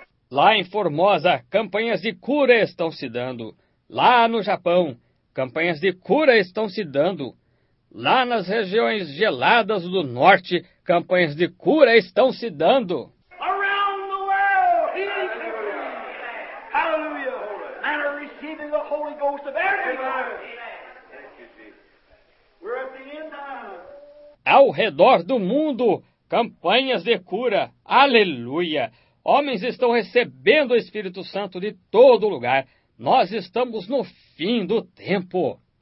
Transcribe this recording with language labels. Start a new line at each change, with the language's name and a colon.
Portuguese: Lá em Formosa, campanhas de cura estão se dando. Lá no Japão, campanhas de cura estão se dando. Lá nas regiões geladas do norte, campanhas de cura estão se dando.
English: Around the world, healing campaigns. Hallelujah. And are receiving the Holy Ghost of every time. We're at the end time.
Portuguese: Ao redor do mundo, campanhas de cura. Aleluia. Homens estão recebendo o Espírito Santo de todo lugar. Nós estamos no fim do tempo.